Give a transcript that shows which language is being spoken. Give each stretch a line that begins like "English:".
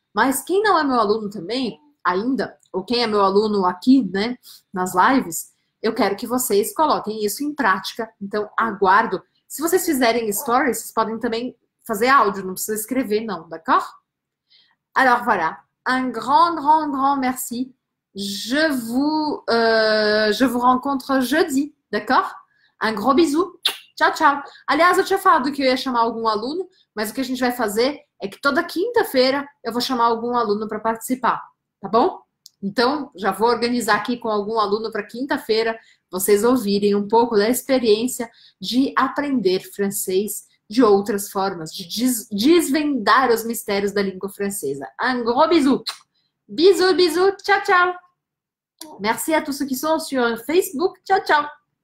Portuguese: Mas quem não é meu aluno também, ainda, ou quem é meu aluno aqui, né, nas lives, eu quero que vocês coloquem isso em prática. Então, aguardo. Se vocês fizerem stories, vocês podem também fazer áudio, não precisa escrever, não,
French: d'accord? Alors, voilà. Un grand, grand, grand merci. Je vous rencontre jeudi, d'accord? Un gros bisou.
Portuguese: Tchau, tchau. Aliás, eu tinha falado que eu ia chamar algum aluno, mas o que a gente vai fazer é que toda quinta-feira eu vou chamar algum aluno para participar, tá bom? Então, já vou organizar aqui com algum aluno para quinta-feira vocês ouvirem um pouco da experiência de aprender francês de outras formas, de desvendar os mistérios da língua francesa.
French: Un gros bisou! Bisou, bisou,
Portuguese: tchau, tchau!
French: Merci à tous ceux qui sont sur Facebook, tchau, tchau!